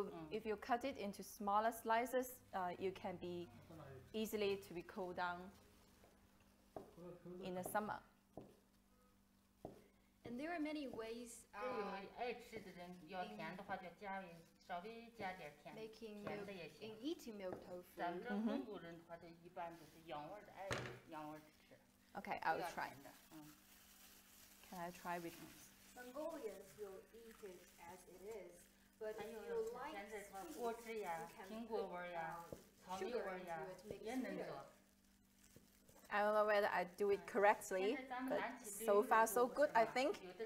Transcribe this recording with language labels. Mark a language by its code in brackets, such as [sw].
[en] if you cut it into smaller slices, you can be easily to be cooled down in the summer. And there are many ways. [zh] 爱吃的人要甜的话，就加点稍微加点甜的也行。 [en] In eating milk tofu. [zh] 咱们蒙古人的话，就一般都是养味的，爱养味吃。 [en] Okay, I'll try. I try with Mongolians will eat it as it is, but if you like sweet, you can put sugar into it to make sweeter. I don't know whether I do it correctly, but so far so good, I think.